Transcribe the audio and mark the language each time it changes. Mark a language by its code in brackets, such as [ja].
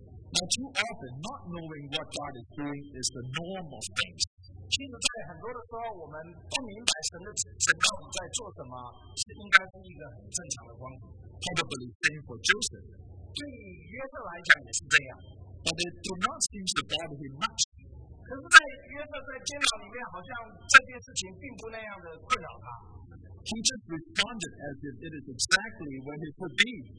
[en] Now, too often, not knowing what God is doing is the norm of things. [zh] 其实在很多的时候，我们不明白神的神到底在做什么，是应该是一个很正常的光景。 [en] Probably same for Joseph. [zh] 对约瑟来讲也是这样。 [en] But it do not seem to bother him much. [zh] 可是在约瑟在监牢里面，好像这件事情并不那样的困扰他。 [en] He just responded as if it is exactly what it could be.